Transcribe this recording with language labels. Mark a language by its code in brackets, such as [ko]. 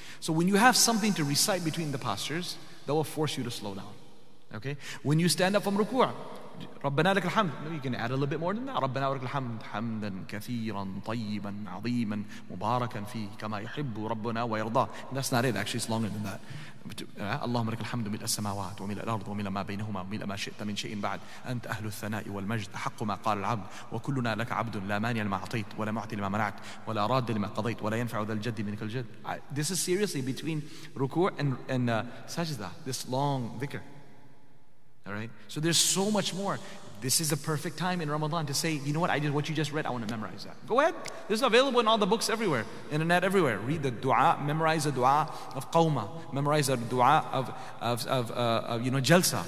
[en] So when you have something to recite between the postures, that will force you to slow down. Okay? When you stand up from ruku'ah, [ar] رَبَّنَا لَكَ الْحَمْدِ. [en] No, you can add a little bit more than that. [ar] رَبَّنَا لَكَ الْحَمْدِ حَمْدًا كَثِيرًا طَيِّبًا عَظِيمًا مُبَارَكًا فِيهِ كَمَا يُحِبُّ رَبُّنَا وَيَرْضَى. [en] That's not it. Actually, it's longer than that. [ar] اللهم لك الحمد ملء السماوات وملء الأرض وملء ما بينهما ملء ما شئت من شيء بعد أنت أهل الثناء والمجد حق ما قال العبد وكلنا لك عبد لا مانع لما أعطيت ولا معطي لما منعت ولا راد لما قضيت ولا ينفع ذا الجد منك الجد. [en] This is seriously between ruku' and sajda, this long dhikr. All right. So there's so much more. This is a perfect time in Ramadan to say, you know what, I did what you just read, I want to memorize that. Go ahead. This is available in all the books everywhere, internet everywhere. Read the dua, memorize the dua of qawma, memorize the dua of jalsa.